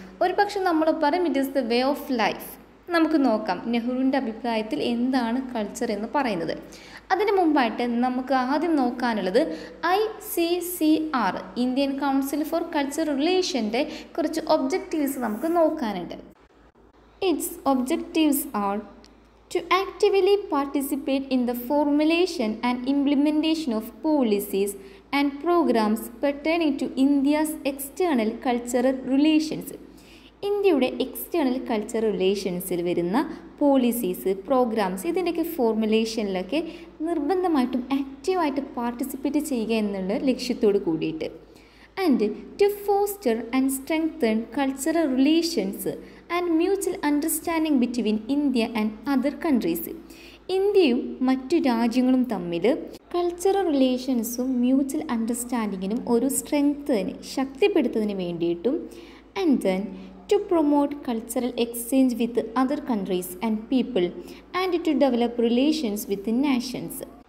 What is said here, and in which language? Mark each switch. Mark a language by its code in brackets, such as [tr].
[ml] ഒരു പക്ഷേ നമ്മൾ പറയും [en] It is the way of life. [ml] നമുക്ക് നോക്കാം നെഹ്റുവിൻ്റെ അഭിപ്രായത്തിൽ എന്താണ് കൾച്ചർ എന്ന് പറയുന്നത്. അതിന് മുമ്പായിട്ട് നമുക്ക് ആദ്യം നോക്കാനുള്ളത് ICCR, Indian council four culture റിലേഷൻ്റെ കുറച്ച് ഒബ്ജക്റ്റീവ്സ് നമുക്ക് നോക്കാനുണ്ട്. [en] Its objectives are to actively participate in the formulation and implementation of policies and programs pertaining to India's external cultural relations. [ml] ഇന്ത്യയുടെ എക്സ്റ്റേണൽ കൾച്ചർ റിലേഷൻസിൽ വരുന്ന പോളിസീസ്, പ്രോഗ്രാംസ്, ഇതിൻ്റെയൊക്കെ ഫോർമുലേഷനിലൊക്കെ നിർബന്ധമായിട്ടും ആക്റ്റീവായിട്ട് participate ചെയ്യുക എന്നുള്ള ലക്ഷ്യത്തോട് കൂടിയിട്ട്. [en] And to foster and strengthen cultural relations and mutual understanding between India and other countries. [ml] ഇന്ത്യയും മറ്റു രാജ്യങ്ങളും തമ്മിൽ കൾച്ചറൽ റിലേഷൻസും മ്യൂച്വൽ അണ്ടർസ്റ്റാൻഡിങ്ങിനും ഒരു സ്ട്രെങ്തന് ശക്തിപ്പെടുത്തുന്നതിന് വേണ്ടിയിട്ടും. [en] And then to promote cultural exchange with other countries and people and to develop relations with nations.